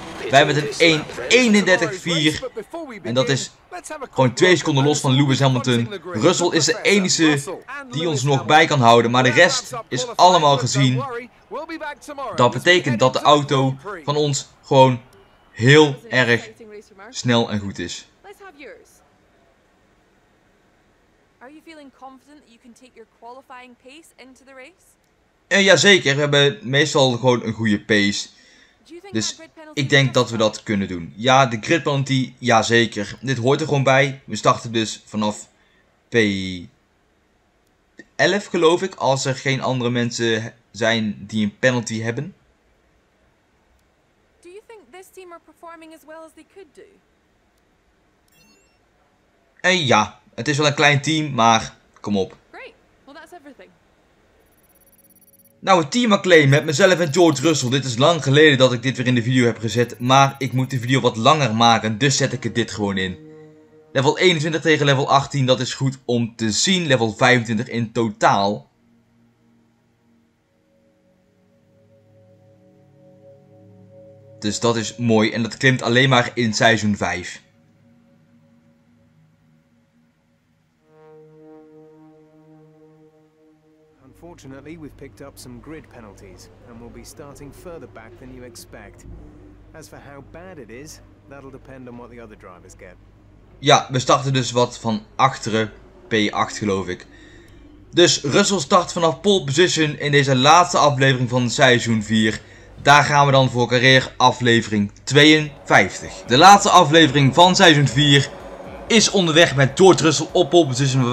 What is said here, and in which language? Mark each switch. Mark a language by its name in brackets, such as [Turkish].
[Dutch] Wij met een 1.31.4. En dat is gewoon 2 seconden los van Lewis Hamilton. Russell is de enige die ons nog bij kan houden, maar de rest is allemaal gezien. Dat betekent dat de auto van ons gewoon heel erg snel en goed is. [English] Are you feeling confident that you can take your qualifying pace into the race? [Dutch] Ja, zeker. We hebben meestal gewoon een goede pace. Dus ik denk dat we dat kunnen doen. Ja, de grid penalty, ja zeker. Dit hoort er gewoon bij. We starten dus vanaf P11 geloof ik, als er geen andere mensen zijn die een penalty hebben. [English] Do you think this team are performing as well as they could do? [Dutch] En ja. Het is wel een klein team, maar kom op. [English] Well, that's everything. [Dutch] Nou, het teamacclaim met mezelf en George Russell. Dit is lang geleden dat ik dit weer in de video heb gezet. Maar ik moet de video wat langer maken, dus zet ik het dit gewoon in. Level 21 tegen level 18, dat is goed om te zien. Level 25 in totaal. Dus dat is mooi en dat klimt alleen maar in seizoen 5. [English] Unfortunately, we've picked up some grid penalties and we'll be starting further back than you expect. As for how bad it is, that'll depend on what the other drivers get. [Dutch] Ja, we starten dus wat van achteren, P8 geloof ik. Dus Russell start vanaf pole position in deze laatste aflevering van seizoen 4. Daar gaan we dan voor carrière aflevering 52. De laatste aflevering van seizoen 4 is onderweg met George Russell op pole position.